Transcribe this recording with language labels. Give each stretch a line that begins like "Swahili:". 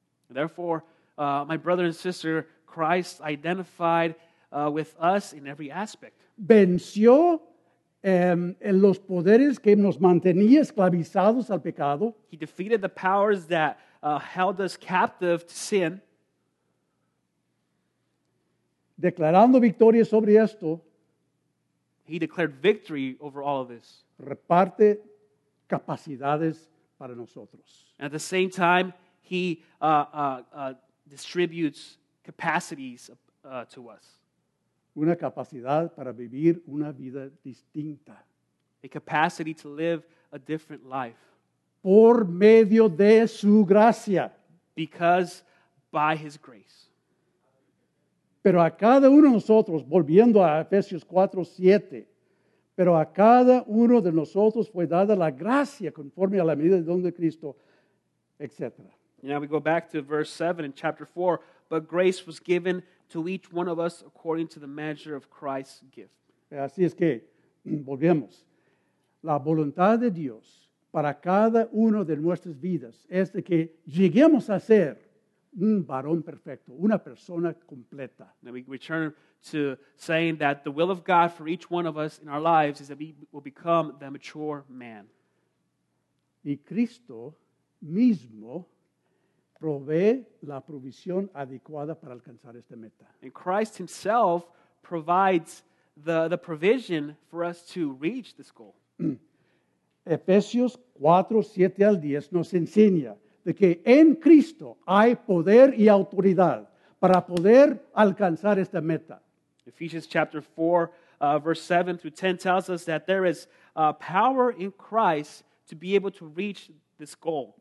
English: Therefore, my brother and sister, Christ identified with us in every aspect.
Spanish: Venció en los poderes que nos mantenía esclavizados al pecado.
English: He defeated the powers that held us captive to sin.
Spanish: Declarando victoria sobre esto.
English: He declared victory over all of this.
Spanish: Reparte capacidades para nosotros.
English: At the same time, he distributes capacities to us.
Spanish: Una capacidad para vivir una vida distinta.
English: A capacity to live a different life.
Spanish: Por medio de su gracia.
English: Because by his grace.
Spanish: Pero a cada uno de nosotros, volviendo a Efesios 4:7. Pero a cada uno de nosotros fue dada la gracia conforme a la medida del don de Cristo, etc.
English: Now we go back to verse 7 in chapter 4. But grace was given to each one of us according to the measure of Christ's gift.
Spanish: Así es que, volvemos. La voluntad de Dios para cada uno de nuestras vidas es de que lleguemos a ser un varón perfecto, una persona completa.
English: Now we return to saying that the will of God for each one of us in our lives is that we will become the mature man.
Spanish: Y Cristo mismo provee la provisión adecuada para alcanzar esta meta.
English: And Christ himself provides the provision for us to reach this goal.
Spanish: Efesios 4:7 al 10 nos enseña de que en Cristo hay poder y autoridad para poder alcanzar esta meta.
English: Ephesians chapter 4, verse 7 through 10 tells us that there is power in Christ to be able to reach this goal.